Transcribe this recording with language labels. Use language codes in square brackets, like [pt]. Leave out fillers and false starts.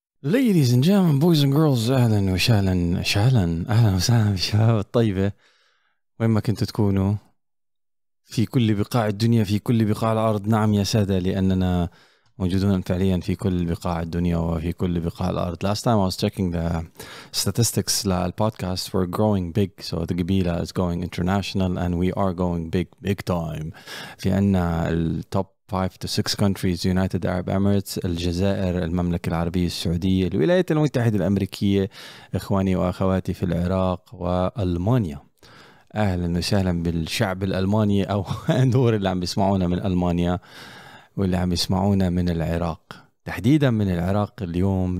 [en] Ladies and gentlemen, boys and girls, [ar] أهلا وسهلا شهلا أهلا وسهلا بالشباب الطيبة وين ما كنتوا تكونوا في كل بقاع الدنيا في كل بقاع الأرض. نعم يا سادة لأننا موجودون فعليا في كل بقاع الدنيا وفي كل بقاع الأرض. [en] Last time I was checking the statistics [ar] للبودكاست, [en] we're growing big, so the قبيلة is going international and we are going big, big time. [ar] في عنا التوب [en] 5 to 6 countries, [ar] United Arab Emirates, الجزائر, المملكة العربية السعودية, الولايات المتحدة الأمريكية, إخواني وأخواتي في العراق وألمانيا. أهلا وسهلا بالشعب الألماني أو دور اللي عم بيسمعونا من ألمانيا واللي عم يسمعونا من العراق, تحديدا من العراق اليوم.